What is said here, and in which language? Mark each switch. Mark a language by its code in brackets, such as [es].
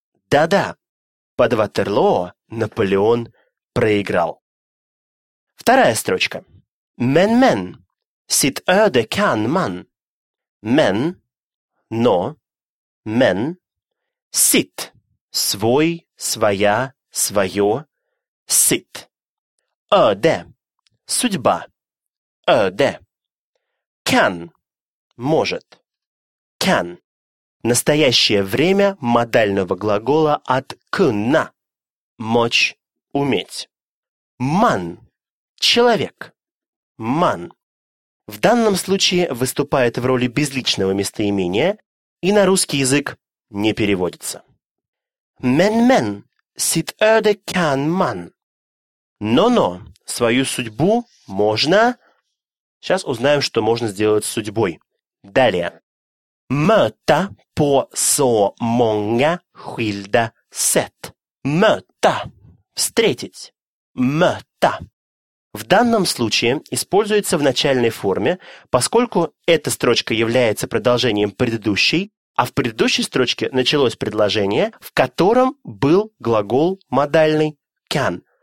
[ru] Да-да, под Waterloo Наполеон проиграл. Вторая строчка. [sv] Men-men, sit öde kan man. [ru] Men, но, men, sit, свой, своя, свое, sit. Öde, судьба, öde. Can, может, can. Настоящее время модального глагола от kunna, мочь, уметь. Man, человек. Man. В данном случае выступает в роли безличного местоимения и на русский язык не переводится. [sv] Men, men, sit öde kan man. [ru] Но-но, свою судьбу можно... Сейчас узнаем, что можно сделать с судьбой. Далее. [sv] Möta på så många skilda sätt. [ru] Möta. Встретить. Möta. В данном случае используется в начальной форме, поскольку эта строчка является продолжением предыдущей, а в предыдущей строчке началось предложение, в котором был глагол модальный can.